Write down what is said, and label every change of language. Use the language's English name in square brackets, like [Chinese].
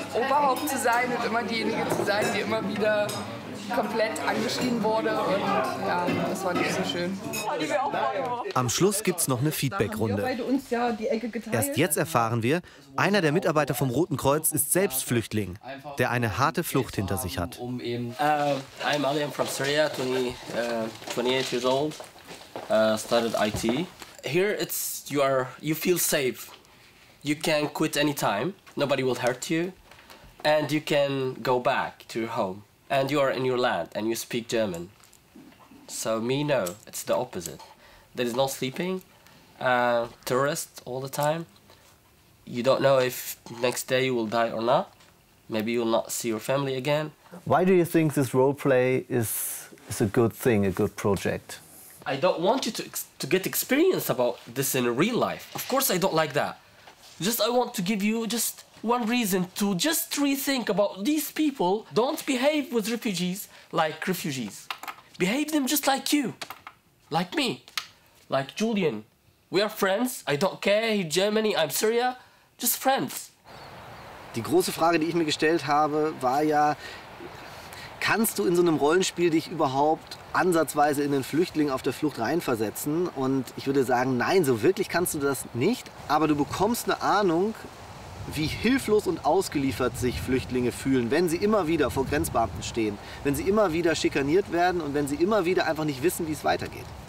[German] Familienoberhaupt zu sein und immer diejenige zu sein, die immer wieder komplett angeschrien wurde. Und ja, das war nicht so schön. Am Schluss gibt's noch eine Feedbackrunde. Erst jetzt erfahren wir, einer der Mitarbeiter vom Roten Kreuz ist selbst Flüchtling, der eine harte Flucht hinter sich hat. [English] I'm Ali, I'm from Syria, 28 years old, started IT. Here it's you feel safe. You can quit anytime, nobody will hurt you, and you can go back to your home. And you are in your land and you speak German. So me, no, it's the opposite. There is no sleeping, tourists all the time. You don't know if next day you will die or not. Maybe you will not see your family again. Why do you think this role play is a good thing, a good project? I don't want you to get experience about this in real life. Of course I don't like that. Just I want to give you just one reason to just rethink about these people. Don't behave with refugees like refugees. Behave them just like you, like me, like Julian. We are friends, I don't care, he's Germany, I'm Syria. Just friends. [German] Die große Frage, die ich mir gestellt habe, war ja, kannst du in so einem Rollenspiel dich überhaupt ansatzweise in einen Flüchtling auf der Flucht reinversetzen? Und ich würde sagen, nein, so wirklich kannst du das nicht. Aber du bekommst eine Ahnung, wie hilflos und ausgeliefert sich Flüchtlinge fühlen, wenn sie immer wieder vor Grenzbeamten stehen, wenn sie immer wieder schikaniert werden und wenn sie immer wieder einfach nicht wissen, wie es weitergeht.